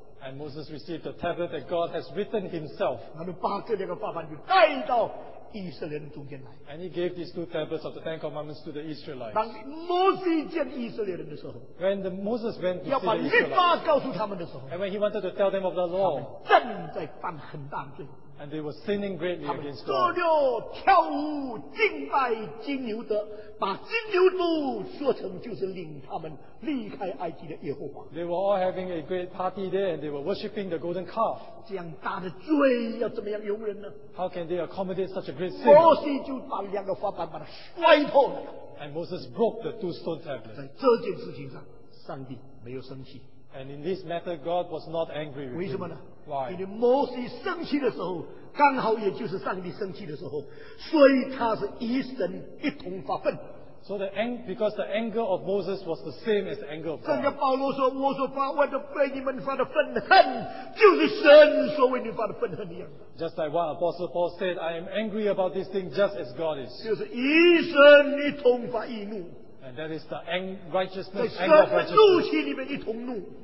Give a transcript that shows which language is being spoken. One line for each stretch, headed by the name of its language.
English: And Moses received the tablet that God has written himself.
Chinese: 然后把这两个法版就带到以色列人中间来。
English: And he gave these two tablets of the Ten Commandments to the Israelites.
Chinese: 当摩西见以色列人的时候,
English: when the Moses went to see the Israelites, and when he wanted to tell them of the law,
Chinese: 他们正在犯很大罪。
English: And they were sinning greatly against God.
Chinese: 他们做了跳舞敬拜金牛犊, 把金牛犊说成就是领他们离开埃及的耶和华。
English: They were all having a great party there and they were worshipping the golden calf.
Chinese: 这样大的罪要怎么样容忍呢?
English: How can they accommodate such a great sin?
Chinese: 摩西就把两个法板把它摔破了。
English: And Moses broke the two stone tablets.
Chinese: 在这件事情上, 上帝没有生气。
English: And in this matter, God was not angry with him.
Chinese: 为什么呢?
English: Why?
Chinese: 因为摩西生气的时候, 刚好也就是上帝生气的时候, 所以他是一神一同发愤。
English: So the because the anger of Moses was the same as the anger of God.
Chinese: 保罗说, 我所发为你们发的愤恨, 就是神所为你发的愤恨一样。
English: Just like what Apostle Paul said, I am angry about this thing just as God is.
Chinese: 就是一神一同发一怒。
English: And that is the righteousness, anger of righteousness.